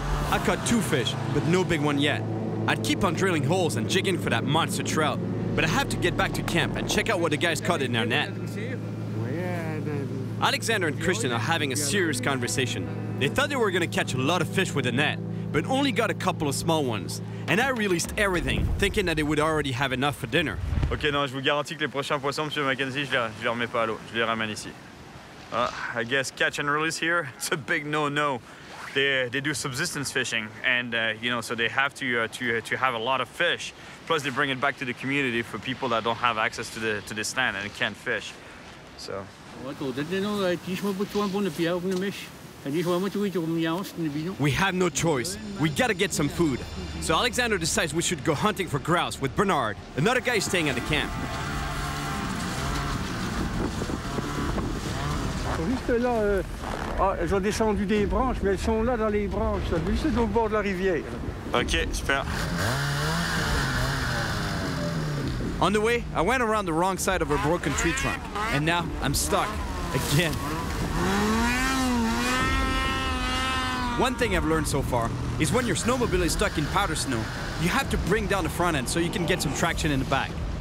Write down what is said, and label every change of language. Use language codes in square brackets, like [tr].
[en] I caught two fish, but no big one yet. I'd keep on drilling holes and jigging for that monster trout, but I have to get back to camp and check out what the guys caught in their net. Alexander and Christian are having a serious conversation. They thought they were gonna catch a lot of fish with the net, but only got a couple of small ones. And I released everything, thinking that they would already have enough for dinner. [fr] Okay, non, je vous garantis que les prochains poissons, Monsieur Mackenzie, je les remets pas à l'eau, je les ramène ici. [en] I guess catch and release here, it's a big no-no. They do subsistence fishing, and you know, so they have to have a lot of fish. Plus, they bring it back to the community for people that don't have access to this land and can't fish. So. We have no choice. We gotta get some food. So Alexander decides we should go hunting for grouse with Bernard, another guy staying at the camp. [fr] Juste là, j'ai descendu des branches, mais elles sont là dans les branches, juste au bord de la rivière. Ok, super. [en] On the way, I went around the wrong side of a broken tree trunk, and now I'm stuck again. One thing I've learned so far is when your snowmobile is stuck in powder snow, you have to bring down the front end so you can get some traction in the back.